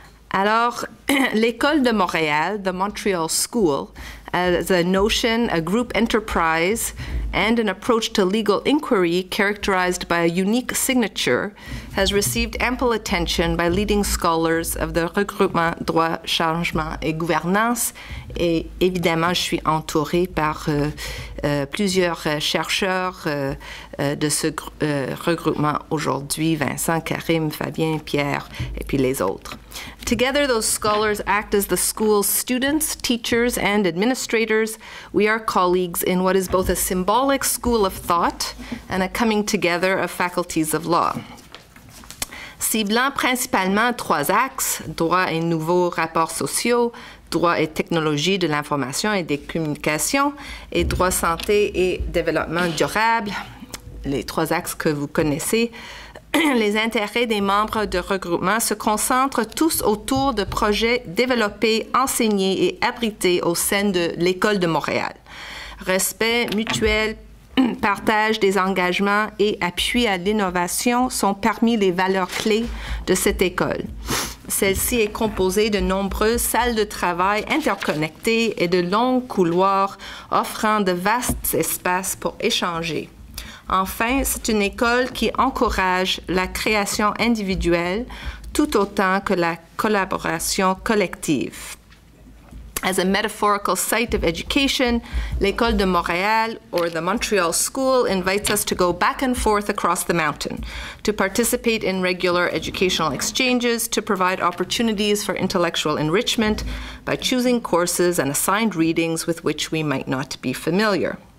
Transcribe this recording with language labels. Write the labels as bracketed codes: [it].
[en] Alors, l'École de Montréal, the Montreal School, has a notion, a group enterprise, and an approach to legal inquiry characterized by a unique signature, has received ample attention by leading scholars of the Regroupement Droit, Changement et Gouvernance. [fr] Et évidemment, je suis entourée par plusieurs chercheurs de ce regroupement aujourd'hui, Vincent, Karim, Fabien, Pierre, et puis les autres. [en] Together, those scholars act as the school's students, teachers, and administrators. We are colleagues in what is both a symbolic school of thought and a coming together of faculties of law. [fr] Ciblant principalement trois axes, droit et nouveaux rapports sociaux, droit et technologie de l'information et des communications, et droit santé et développement durable, les trois axes que vous connaissez, les intérêts des membres de regroupement se concentrent tous autour de projets développés, enseignés et abrités au sein de l'École de Montréal. Respect mutuel, partage des engagements et appui à l'innovation sont parmi les valeurs clés de cette école. Celle-ci est composée de nombreuses salles de travail interconnectées et de longs couloirs offrant de vastes espaces pour échanger. Enfin, c'est une école qui encourage la création individuelle tout autant que la collaboration collective. [en] As a metaphorical site of education, l'École de Montréal, or the Montreal School, invites us to go back and forth across the mountain, to participate in regular educational exchanges, to provide opportunities for intellectual enrichment by choosing courses and assigned readings with which we might not be familiar.